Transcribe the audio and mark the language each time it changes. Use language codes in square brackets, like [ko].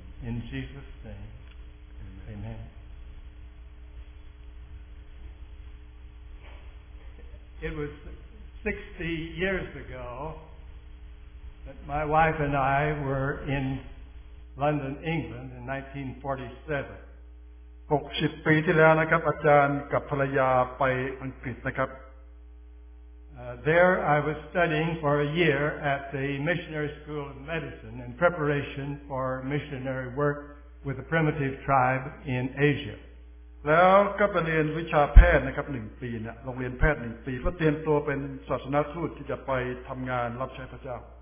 [en] In Jesus' name, Amen. It was 60 years ago that my wife and I were in London, England in 1947. [th] 60ปีที่แล้วนะครับอาจารย์กับภรรยาไปอังกฤษนะครับ [en] There I was studying for a year at the Missionary School of Medicine in preparation for missionary work with a primitive tribe in Asia [th] แล้วก็ไปเรียนวิชาแพทย์นะครับ1ปีเนี่ยโรงเรียนแพทย์1ปีเพื่อเตรียมตัวเป็นศาสนทูตที่จะไปทำงานรับใช้พระเจ้า